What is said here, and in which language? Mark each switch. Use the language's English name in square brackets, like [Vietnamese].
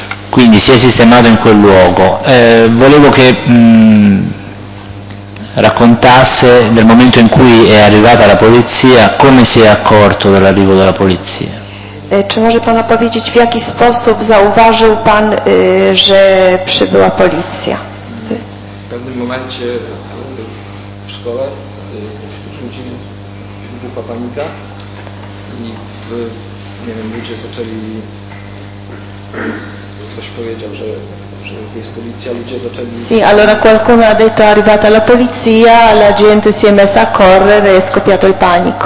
[Italian] Quindi si è sistemato in quel luogo. Volevo che raccontasse del momento in cui è arrivata la polizia, come si è accorto dell'arrivo della polizia. [Polish] Czy może pan opowiedzieć, w jaki sposób zauważył pan, że przybyła policja? W pewnym momencie w szkole ludzi wybuchła panika i nie wiem, ludzie zaczęli, ktoś powiedział, że jest policja, ludzie zaczęli... [Italian] Sì, allora qualcuno ha detto arrivata la polizia, la gente si è messa a correre e scoppiato il panico.